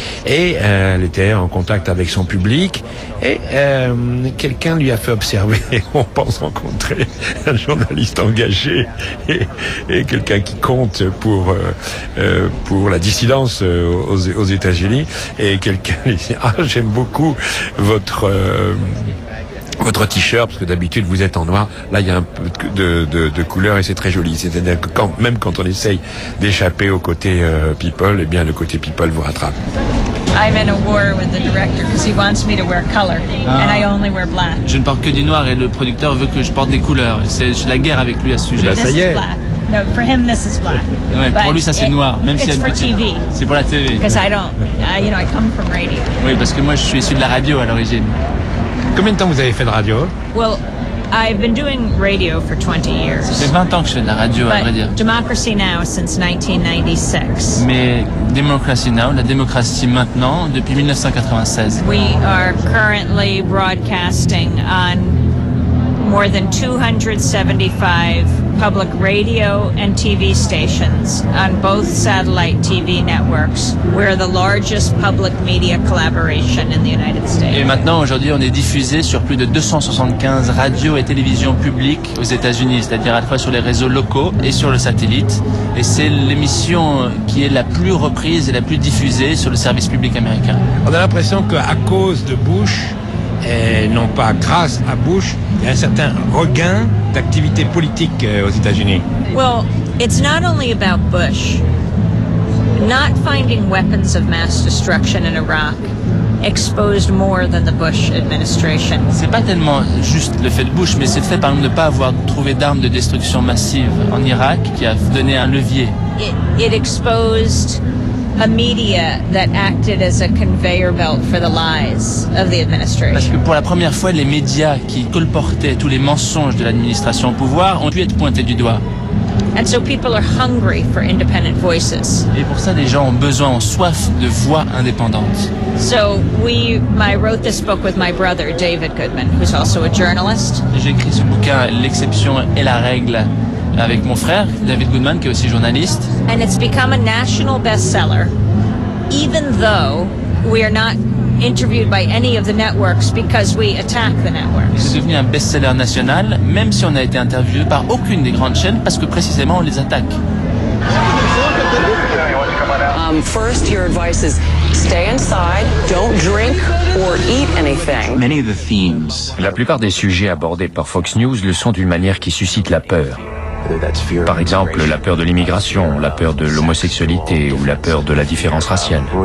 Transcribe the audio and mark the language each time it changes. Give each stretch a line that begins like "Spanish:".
French: Et elle était en contact avec son public. Et quelqu'un lui a fait observer, on pense rencontrer un journaliste engagé et quelqu'un qui compte pour la dissidence aux États-Unis, et quelqu'un lui dit « Ah, j'aime beaucoup votre t-shirt, parce que d'habitude vous êtes en noir, là il y a un peu de couleur et c'est très joli. » C'est-à-dire que quand on essaye d'échapper au côté people, eh bien le côté people vous rattrape.
English: I'm in a war with the director because he wants me to wear color and I only wear black.
French: Je ne porte que du noir et le producteur veut que je porte des couleurs. C'est la guerre avec lui à ce sujet. Là, ça y est.
English: No, for him this is black.
French: Ouais, pour lui ça c'est noir, même si c'est pour TV. C'est pour la télé.
English: Because I don't, you know, I come from radio.
French: Oui, parce que moi je suis issu de la radio à l'origine. Combien de temps vous avez fait de radio?
English: Well, I've been doing radio for 20 years.
French: Ça fait 20 ans que je fais de la radio,
English: but
French: à vrai dire.
English: Democracy Now since 1996.
French: Mais Democracy Now, la démocratie maintenant, depuis 1996.
English: We are currently broadcasting on more than 275 public radio and TV stations on both satellite TV networks. We're the largest public media collaboration in the United States.
French: Et maintenant, aujourd'hui, on est diffusé sur plus de 275 radios et télévisions publiques aux États-Unis, c'est-à-dire à la fois sur les réseaux locaux et sur le satellite. Et c'est l'émission qui est la plus reprise et la plus diffusée sur le service public américain. On a l'impression qu'à cause de Bush, et non pas grâce à Bush, il y a un certain regain d'activité politique aux États-Unis.
English: Well, it's not only about Bush. Not finding weapons of mass destruction in Iraq exposed more than the Bush administration.
French: C'est pas tellement juste le fait de Bush, mais c'est le fait par exemple de ne pas avoir trouvé d'armes de destruction massive en Irak qui a donné un levier.
English: It exposed a media that acted as a conveyor belt for the lies of the administration.
French: Parce que pour la première fois, les médias qui colportaient tous les mensonges de l'administration au pouvoir ont pu être pointés du doigt.
English: And so people are hungry for independent voices.
French: Et pour ça, les gens ont besoin, ont soif de voix indépendantes.
English: So I wrote this book with my brother David Goodman, who's also a journalist.
French: J'ai écrit ce bouquin, L'exception est la règle, avec mon frère David Goodman, qui est aussi journaliste.
English: And it's become a national bestseller, even though we are not interviewed by any of the networks because we attack the networks.
French: C'est devenu un best-seller national, même si on a été interviewé par aucune des grandes chaînes, parce que précisément on les attaque.
English: First, your advice is stay inside, don't drink or eat anything. Many of the themes.
French: La plupart des sujets abordés par Fox News le sont d'une manière qui suscite la peur. Par exemple, la peur de l'immigration, la peur de l'homosexualité ou la peur de la différence raciale.